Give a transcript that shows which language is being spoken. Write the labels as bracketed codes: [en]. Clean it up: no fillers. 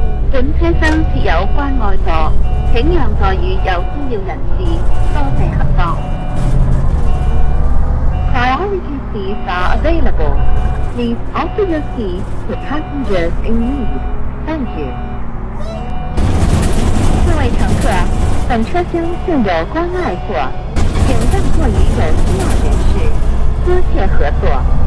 [zh] 准车厢设有关外座，请让座与有需要人士，多谢合作。 [en] Priority seats are available. Please offer your seats to passengers in need. Thank you. [zh] 各位乘客，本车厢现有关外座，请让座与有需要人士，多谢合作。